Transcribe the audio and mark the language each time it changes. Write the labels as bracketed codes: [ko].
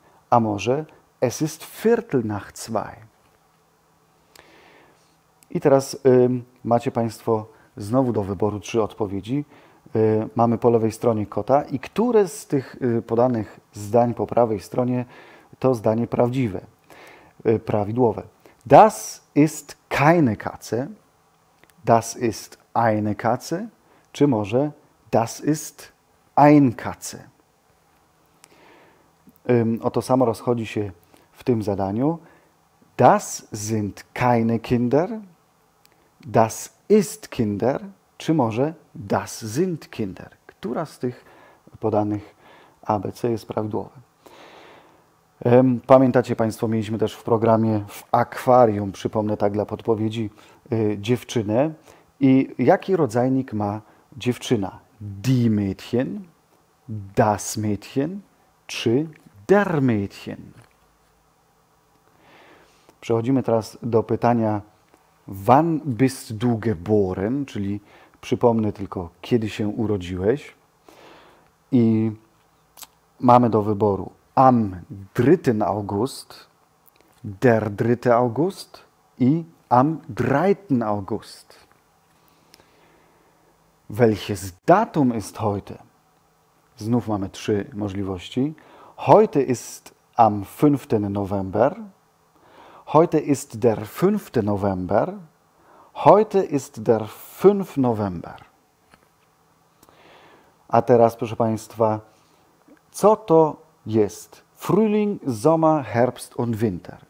[pl] A może [de] es ist Viertel nach 2. [pl] I teraz macie Państwo znowu do wyboru trzy odpowiedzi. mamy po lewej stronie kota i które z tych podanych zdań po prawej stronie to zdanie prawdziwe, prawidłowe. [de] Das ist keine Katze. Das ist eine Katze. [pl] Czy może [de] das ist ein Katze. [pl] O to samo rozchodzi się w tym zadaniu. [de] Das sind keine Kinder. Das ist Kinder. [pl] Czy może [de] das sind Kinder. [pl] Która z tych podanych ABC jest prawidłowa? Pamiętacie Państwo, mieliśmy też w programie w akwarium, przypomnę tak dla podpowiedzi, dziewczynę. I jaki rodzajnik ma dziewczyna? [de] Die Mädchen, das Mädchen czy der Mädchen? [pl] Przechodzimy teraz do pytania [de] wann bist du geboren, [pl] czyli przypomnę tylko, kiedy się urodziłeś. I mamy do wyboru am 3. [de] August, der 3. August i am 3. August. Welches Datum ist heute? [pl] Znów mamy trzy możliwości. [de] Heute ist am 5. November. Heute ist der 5. November. Heute ist der 5. November. [pl] A teraz, proszę Państwa, co to jest? [de] Frühling, Sommer, Herbst und Winter.